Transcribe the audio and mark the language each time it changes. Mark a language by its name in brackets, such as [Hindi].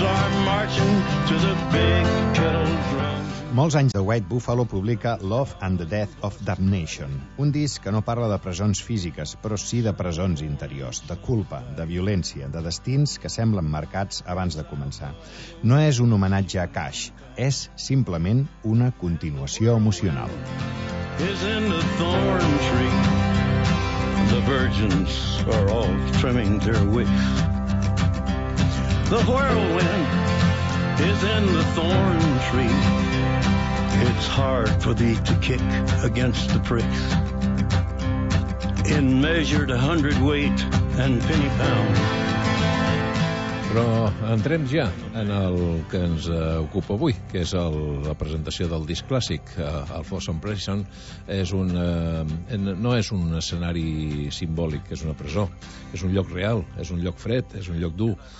[English] are marching to the big kettle drum. [Catalan] Molts anys de White Buffalo publica Love and the Death of Damnation, un disc que no parla de presons físiques, però sí de presons interiors, de culpa, de violència, de destins que semblen marcats abans de començar. No és un homenatge a Cash, és simplement una continuació emocional. [English] Is in the thorn tree. The virgins are all trimming their wicks. The whirlwind is in the thorn tree. It's hard for thee to kick against the pricks. In measured hundredweight and penny pound. [Catalan] Però entrem ja en el que ens ocupa avui, que és la presentació del disc clàssic. El Folsom Prison no és un escenari simbòlic, és una presó. És un lloc real, és un lloc fred, és un lloc dur,